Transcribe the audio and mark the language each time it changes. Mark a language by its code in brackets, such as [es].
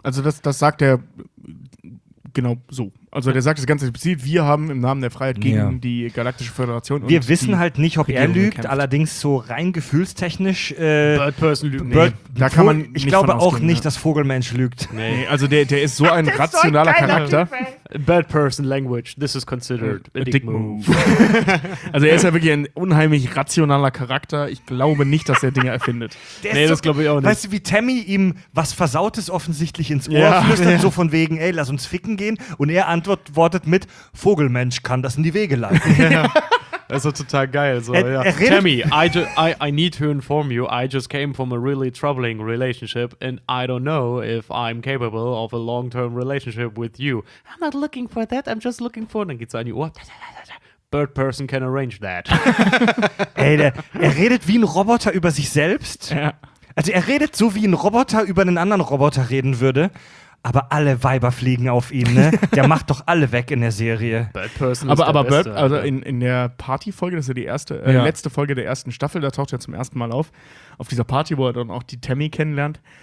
[de] Also das sagt er genau so. Also der sagt das ganze explizit, wir haben im Namen der Freiheit gegen die Galaktische Föderation. Wir und wissen halt nicht, ob Regierung er lügt, gekämpft. Allerdings so rein gefühlstechnisch. Bird Person lügt nicht. Da kann man nicht, ich glaube auch nicht, dass Vogelmensch lügt. Nee, also der ist so ein rationaler Charakter. [en] Bird Person Language, this is considered a dick move. [de] Also er ist ja wirklich ein unheimlich rationaler Charakter. Ich glaube nicht, dass er Dinge erfindet. Nee, das glaube ich auch nicht. Weißt du, wie Tammy ihm was Versautes offensichtlich ins Ohr flüstert, so von wegen, ey, lass uns ficken gehen. Und er antwortet mit, Vogelmensch kann das in die Wege leiten. Das ist doch total geil. [en] So, Tammy, I need to inform you, I just came from a really troubling relationship and I don't know if I'm capable of a long-term relationship with you. I'm not looking for that, I'm just looking for... [de] Dann geht es an die Uhr. [en] Bird Person can arrange that. [de] Ey, er redet wie ein Roboter über sich selbst. Ja. Also er redet so, wie ein Roboter über einen anderen Roboter reden würde. Aber alle Weiber fliegen auf ihn, ne? Der macht doch alle weg in der Serie. Bird Person aber Beste, Bird, also in der Partyfolge, das ist ja die erste, letzte Folge der ersten Staffel, da taucht er zum ersten Mal auf dieser Party, wo er dann auch die Tammy kennenlernt.